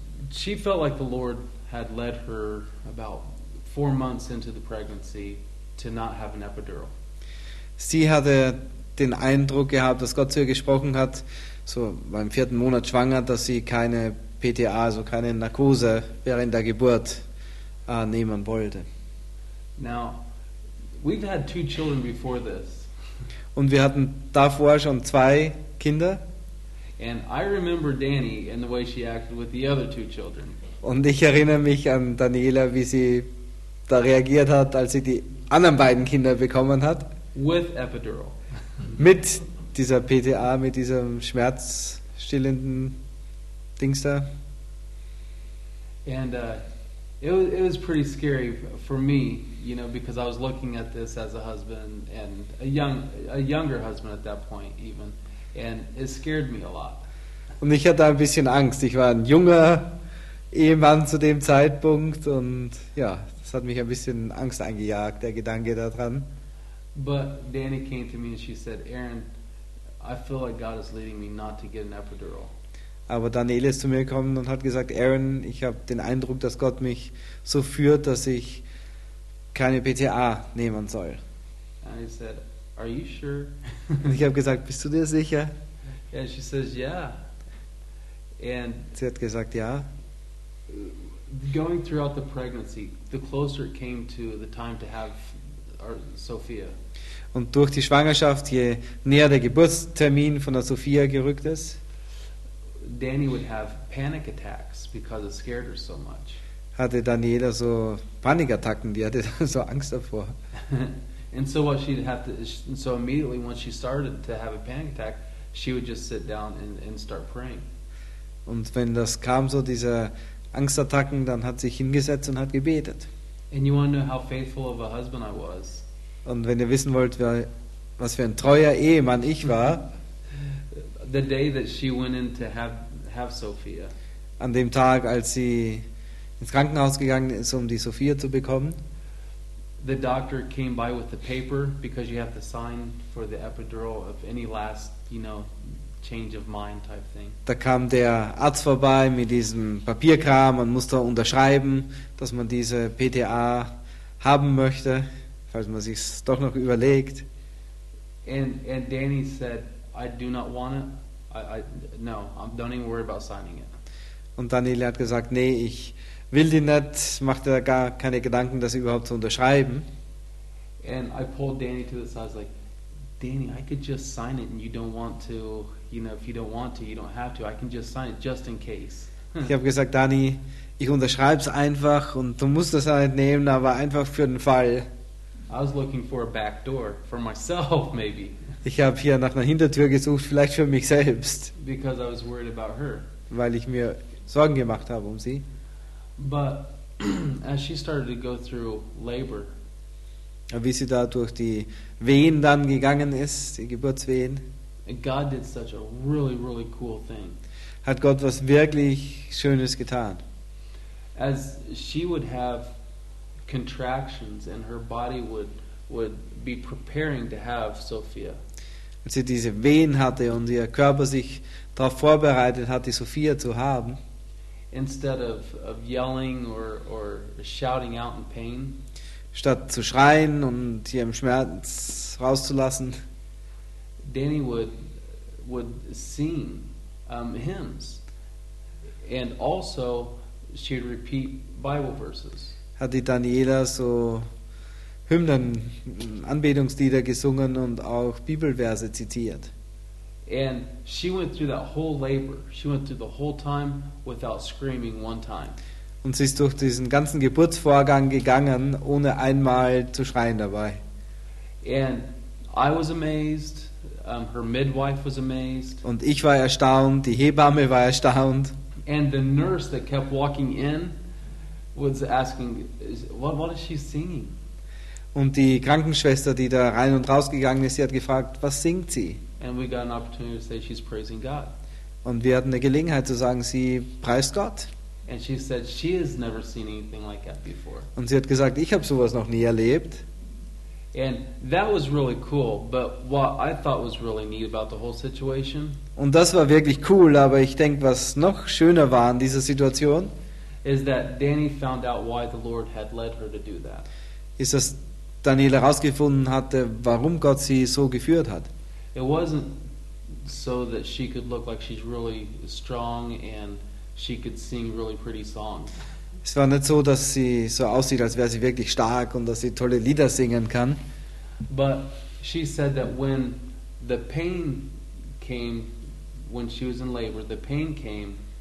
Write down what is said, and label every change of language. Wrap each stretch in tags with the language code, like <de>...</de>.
<en>She felt like the Lord had led her about 4 months into the pregnancy to not have an epidural.</en> <de>Sie hatte den Eindruck gehabt, dass Gott zu ihr gesprochen hat, so beim 4. Monat schwanger, dass sie keine PTA, also keine Narkose während der Geburt nehmen wollte.</de> <en>Now, we've had two children before this.</en> <de>Und wir hatten davor schon zwei Kinder.</de> <en>And I remember Dani and the way she acted with the other two children.</en> <de>Und ich erinnere mich an Daniela, wie sie da reagiert hat, als sie die anderen beiden Kinder bekommen hat.</de> <en>With epidural.</en> <de>Mit dieser PTA, mit diesem schmerzstillenden Dings da.</de> <en>And it was pretty scary for me, you know, because I was looking at this as a husband and a younger husband at that point even, and it scared me a lot.</en> <de>Und ich hatte ein bisschen Angst. Ich war ein junger Ehemann zu dem Zeitpunkt und ja, das hat mich ein bisschen Angst eingejagt, der Gedanke daran.</de> <en>But Dani came to me and she said, "Aaron, I feel like God is leading me not to get an epidural."</en> <de>Aber Daniela ist zu mir gekommen und hat gesagt, "Aaron, ich habe den Eindruck, dass Gott mich so führt, dass ich keine PTA nehmen soll."</de> <en>And I said, "Are you sure?"</en> <de>Und ich habe gesagt, "Bist du dir sicher?"</de> <en>And she says, "Yeah."</en> <de>And sie hat gesagt, "Ja."</de> <en>Going throughout the pregnancy, the closer it came to the time to have Sophia.</en> <de>Und durch die Schwangerschaft, je näher der Geburtstermin von der Sophia gerückt ist,</de> <en>Dani would have panic attacks because it scared her so much.</en> <de>Hatte Daniela so Panikattacken, die hatte so Angst davor.</de> <en>And so what she'd have to, so immediately once she started to have a panic attack, she would just sit down and start praying.</en> <de>Und wenn das kam, so diese Angstattacken, dann hat sich hingesetzt und hat gebetet.</de> <en>And you want to know how faithful of a husband I was.</en> <de>Und wenn ihr wissen wollt, was für ein treuer Ehemann ich war,</de> <en>the day that she went in to have Sophia.</en> <de>An dem Tag, als sie ins Krankenhaus gegangen ist, um die Sophia zu bekommen.</de> <en>The doctor came by with the paper because you have to sign for the epidural of any last, you know, change of mind type thing.</en> <de>Da kam der Arzt vorbei mit diesem Papierkram, man musste unterschreiben, dass man diese PTA haben möchte, falls man sich's doch noch überlegt.</de> <en>And Dani said, "I do not want it. No, don't even worry about signing it."</en> <de>Und Daniela hat gesagt, "Nee, ich will die nicht, mach dir gar keine Gedanken, das überhaupt zu unterschreiben."</de> <en>And I pulled Dani to the side. I was like, "Dani, I could just sign it and you don't want to, you know, if you don't want to, you don't have to. I can just sign it just in case."</en> <de>Ich habe gesagt, "Dani, ich unterschreib's einfach und du musst das halt nehmen, aber einfach für den Fall."</de> <en>I was looking for a back door for myself, maybe.</en> <de>Ich habe hier nach einer Hintertür gesucht, vielleicht für mich selbst.</de> <en>Because I was worried about her.</en> <de>Weil ich mir Sorgen gemacht habe um sie.</de> <en>But as she started to go through labor.</en> <de>Wie sie da durch die Wehen dann gegangen ist, die Geburtswehen.</de> <en>God did such a really, really cool thing.</en> <de>Hat Gott was wirklich Schönes getan.</de> <en>As she would have contractions and her body would be preparing to have Sophia.</en> <de>Als sie diese Wehen hatte und ihr Körper sich darauf vorbereitet hat, die Sophia zu haben.</de> <en>Instead of yelling or shouting out in pain.</en> <de>Statt zu schreien und hier im Schmerz rauszulassen.</de> <en>Dani would sing hymns and also she would repeat Bible verses.</en> <de>Hat die Daniela so Hymnen, Anbetungslieder gesungen und auch Bibelverse zitiert.</de> <en>And she went through that whole labor. She went through the whole time without screaming one time.</en> <de>Und sie ist durch diesen ganzen Geburtsvorgang gegangen, ohne einmal zu schreien dabei.</de> <en>And I was amazed. Her midwife was amazed.</en> <de>Und ich war erstaunt, die Hebamme war erstaunt.</de> <en>And the nurse that kept walking in was asking, what is she singing?</en> <de>Und die Krankenschwester, die da rein und raus gegangen ist, sie hat gefragt, was singt sie?</de> <en>And we got an opportunity to say she's praising God.</en> <de>Und wir hatten eine Gelegenheit zu sagen, sie preist Gott.</de> <en>And she said she has never seen anything like that before.</en> <de>Und sie hat gesagt, ich habe sowas noch nie erlebt.</de> <en>And that was really cool, but what I thought was really neat about the whole situation.</en> <de>Und das war wirklich cool, aber ich denke, was noch schöner war in dieser Situation,</de> <en>is that Dani found out why the Lord had led her to do that.</en> <de>Ist, dass Daniela herausgefunden hatte, warum Gott sie so geführt hat.</de> <en>It wasn't so that she could look like she's really strong and she could sing really pretty songs.</en> <de>Es war nicht so, dass sie so aussieht, als wäre sie wirklich stark und dass sie tolle Lieder singen kann.</de> <en>But she said that when the pain came, when she was in labor, the pain came.</en>